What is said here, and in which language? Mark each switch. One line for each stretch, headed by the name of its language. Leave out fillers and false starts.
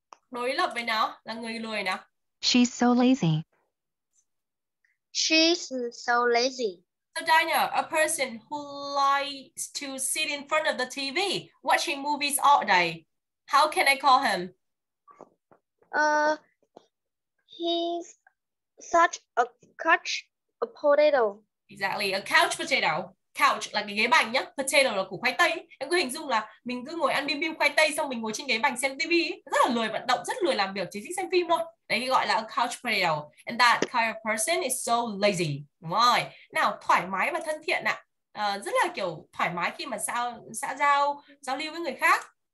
Vietnamese: Đối lập với nó là người lười nào.
English: She's so lazy. So Dinah, a person who likes to sit in front of the TV, watching movies all day. How can I call him? He's such a couch a potato. Exactly, a couch potato.
Vietnamese: Couch là cái ghế bành nhá, potato là củ khoai tây. Em cứ hình dung là mình cứ ngồi ăn bim bim khoai tây xong mình ngồi trên ghế bành xem TV, rất là lười vận động, rất lười làm việc, chỉ thích xem phim thôi. Đấy gọi là a couch potato.
English: And that kind of person is so lazy.
Vietnamese: Đúng rồi. Nào, thoải mái và thân thiện ạ. Rất là kiểu thoải mái khi mà xã giao lưu với người khác.